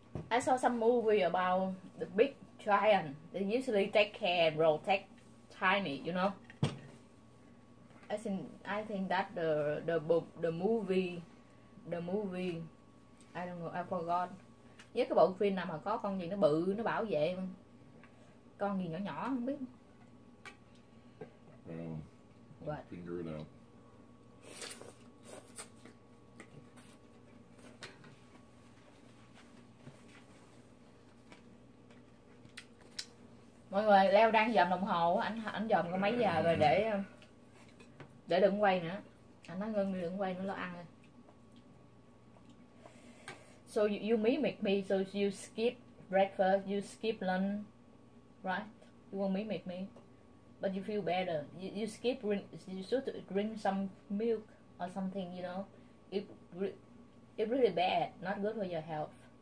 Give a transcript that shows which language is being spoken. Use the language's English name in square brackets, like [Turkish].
[English] I saw some movie about the big giant. They usually take care and protect tiny, you know. I think that the book, the movie, I don't know, I forgot. [Vietnamese] Với cái bộ phim nào mà có con gì nó bự, nó bảo vệ mà. Con gì nhỏ nhỏ không biết. [English] What? Figure it out. [Vietnamese] Mọi người, Leo đang dòm đồng hồ, anh dòm có mấy giờ rồi để đừng quay nữa. Anh nói ngưng đi, đừng quay nữa, lo ăn rồi. [English] So you mimic me, so you skip breakfast, you skip lunch, right? You won't mimic me, but you feel better. You skip, you should drink some milk or something, you know. It really bad, not good for your health.